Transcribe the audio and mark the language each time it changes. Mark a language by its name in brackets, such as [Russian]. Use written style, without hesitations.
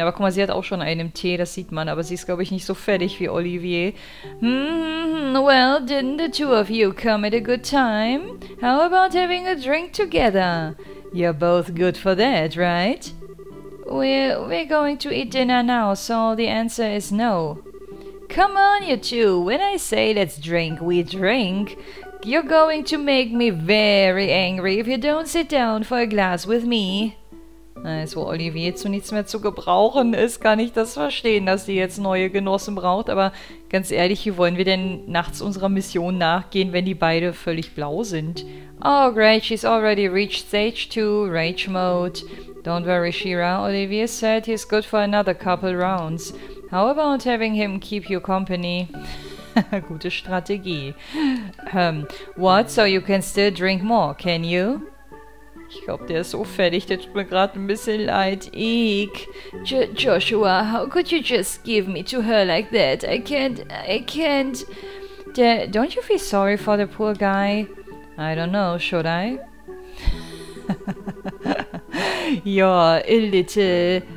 [German] Aber guck mal, sie hat auch schon einen im Tee, das sieht man. Aber sie ist, glaube ich, nicht so fertig wie Olivier. [English] Well, didn't the two of you come at a good time? How about having a drink together? You're both good for that, right? We're going to eat dinner now, so the answer is no. Come on, you two. When I say let's drink, we drink. You're going to make me very angry if you don't sit down for a glass with me. [German] Also, Olivier zu nichts mehr zu gebrauchen ist, kann ich das verstehen, dass sie jetzt neue Genossen braucht. Aber ganz ehrlich, wie wollen wir denn nachts unserer Mission nachgehen, wenn die beide völlig blau sind? [English] Oh great, she's already reached stage 2, rage mode. Don't worry, Shira. Olivier said he's good for another couple rounds. How about having him keep you company? [German] Gute Strategie. [English] What? So you can still drink more, can you? [German] Ich glaube, der ist so fertig, der tut mir gerade ein bisschen leid. Eek. [English] Joshua, how could you just give me to her like that? I can't. Don't you feel sorry for the poor guy? I don't know, should I? You're a little...